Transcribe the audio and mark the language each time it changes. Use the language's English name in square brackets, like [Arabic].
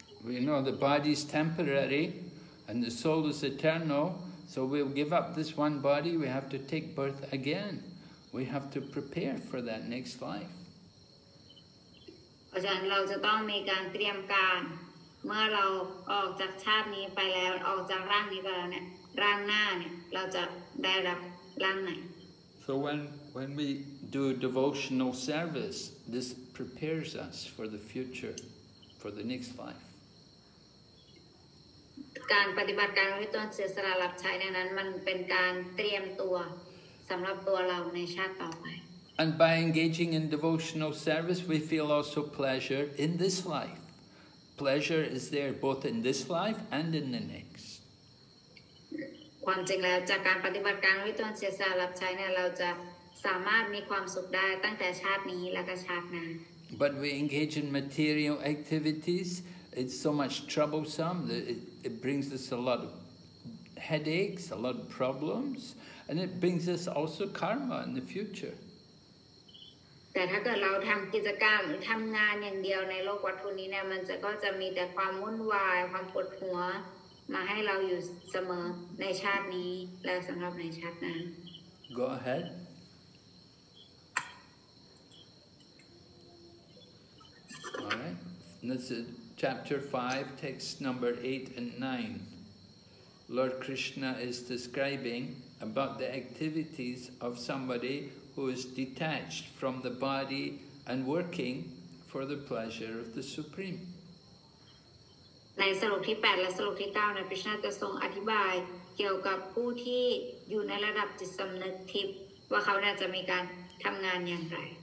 [English] We know the body is temporary and the soul is eternal so we'll give up this one body we have to take birth again we have to prepare for that next life [Thai] เราจะต้องมีการเตรียมการเมื่อเราออกจากชาตินี้ไปแล้วออกจากร่างนี้ไปแล้วเนี่ยร่างหน้าเนี่ยเราจะได้รับร่างไหน [English] So when we do devotional service this prepares us for the future for the next life [Thai] การปฏิบัติการที่ต้นเสียสละรับใช้เนี่ยนั้นมันเป็นการเตรียมตัวสำหรับตัวเราในชาติต่อไป [English] And by engaging in devotional service we feel also pleasure in this lifePleasure is there both in this life and in the next. [Thai] ความจริงแล้วจากการปฏิบัติการวิตรณ์เสียสละรับใช้เนี่ยเราจะสามารถมีความสุขได้ตั้งแต่ชาตินี้และก็ชาติหน้า [English] But we engage in material activities. It's so much troublesome. It brings us a lot of headaches, a lot of problems, and it brings us also karma in the future. [Thai] แต่ถ้าเกิดเราทำกิจกรรมทำงานอย่างเดียวในโลกวัตถุนี้เนี่ยมันจะก็จะมีแต่ความวุ่นวายความปวดหัวมาให้เราอยู่เสมอในชาตินี้และสำหรับในชาตินั้น [English] Go ahead All right This is chapter 5 text number 8 and 9 Lord Krishna is describing about the activities of somebodywho is detached from the body and working for the pleasure of the Supreme. [Thai] ในสรุปที่8และสรุปที่9นะพระชาจะทรงอธิบายเกี่ยวกับผู้ที่อยู่ในระดับจิตสำนึกทิพย์ว่าเขาน่าจะมีการทำงานอย่างไร